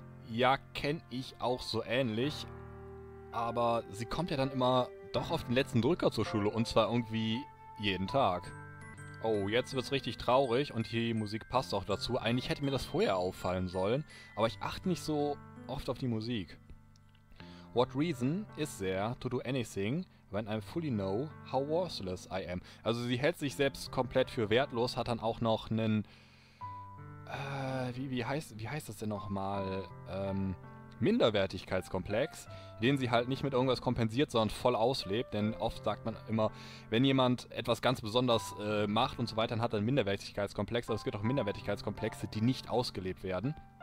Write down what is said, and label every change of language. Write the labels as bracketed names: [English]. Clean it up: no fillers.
[German] Ja, kenne ich auch so ähnlich. Aber sie kommt ja dann immer doch auf den letzten Drücker zur Schule und zwar irgendwie jeden Tag. Oh, jetzt wird's richtig traurig und die Musik passt auch dazu. Eigentlich hätte mir das vorher auffallen sollen, aber ich achte nicht so oft auf die Musik. [English] What reason is there to do anything when I fully know how worthless I am? [German] Also sie hält sich selbst komplett für wertlos, hat dann auch noch einen... wie heißt das denn nochmal? Minderwertigkeitskomplex, den sie halt nicht mit irgendwas kompensiert, sondern voll auslebt, denn oft sagt man immer, wenn jemand etwas ganz besonders macht und so weiter, dann hat er einen Minderwertigkeitskomplex, aber es gibt auch Minderwertigkeitskomplexe, die nicht ausgelebt werden.